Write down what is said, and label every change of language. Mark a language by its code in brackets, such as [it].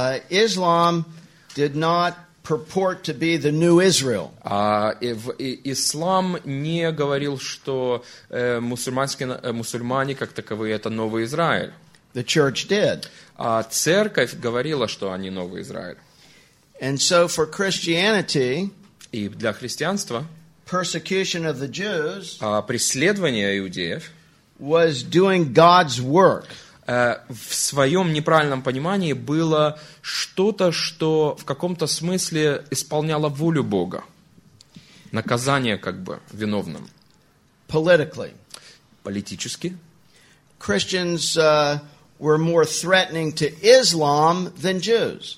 [en] Islam did not purport to be the new Israel. [ru] Ислам не говорил, что мусульмане как таковые это новый Израиль. [en] The church did. [ru] А церковь говорила, что они новый Израиль. [en] And so for Christianity, [ru] и для христианства, [en] persecution of the Jews, [ru] преследование иудеев, [en] was doing God's work. [ru] В своем неправильном понимании было что-то, что в каком-то смысле исполняло волю Бога. Наказание как бы виновным. [en] Politically. [ru] Политически. [en] Christians were more threatening to Islam than Jews.